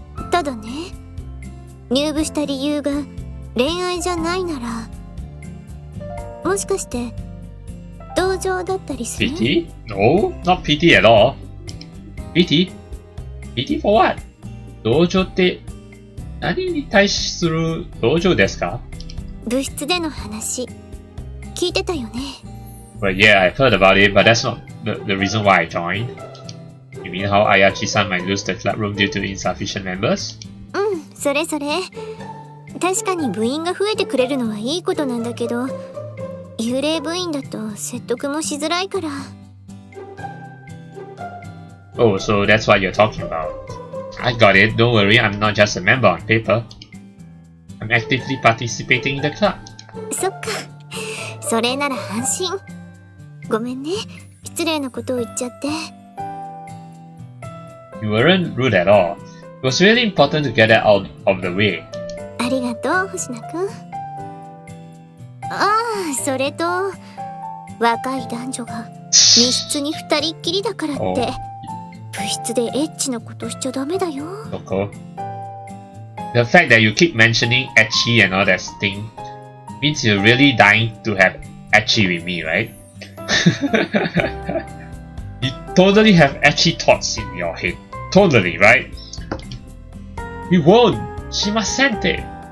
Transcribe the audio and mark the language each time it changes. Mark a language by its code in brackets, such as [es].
[ja] ただね、入部した理由が恋愛じゃないなら、もしかして同情だったりする [en] ？Pity? No, not pity at all. Pity? Pity for what? [ja] 同情って何に対する同情ですか？部室での話。聞いてたよね。 [en] Well, yeah, I've heard about it, but that's not the reason why I joined. You mean how Ayachi-san might lose the club room due to insufficient members? [ja] うん、それそれ。確かに部員が増えてくれるのはいいことなんだけど、幽霊部員だと説得もしづらいから。 [en] Oh, so that's what you're talking about. I got it. Don't worry, I'm not just a member on paper. I'm actively participating in the club. [ja] そっか。それなら安心。ごめんね、失礼なことを言っちゃって。 [en] You weren't rude at all. It was really important to get that out of the way. [ja] ありがとう、星名くん。ああ、それと、若い男女が密室に二人っきりだからって、部室でエッチなことしちゃダメだよ。どこ？ [en] The fact that you keep mentioning etchy and all that stinkMeans you're really dying to have ecchi with me, right? You totally have ecchi thoughts in your head. Totally, right? We won't! Shimasente!